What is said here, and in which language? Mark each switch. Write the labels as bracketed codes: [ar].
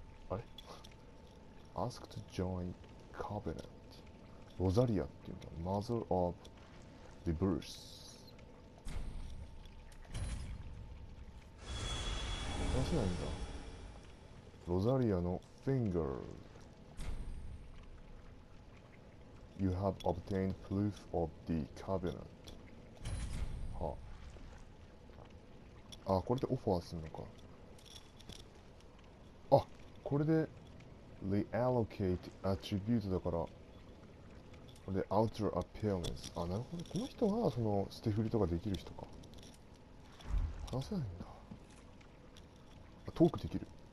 [ja] あれ [en] Ask to join Covenant [ja] ロザリアっていうんだ。 [en] Mother of the Bruce。 [ja] 話せないんだ。ロザリアの Finger。 [en] You have obtained proof of the Covenant。 [ja] あ、これでオファーするのか。あ、これで [en] reallocate attribute [ja] だから、これで [en] outer appearance。 [ja] あ、なるほど。この人がその捨て振りとかできる人か。話せないんだ。あ、トークできる。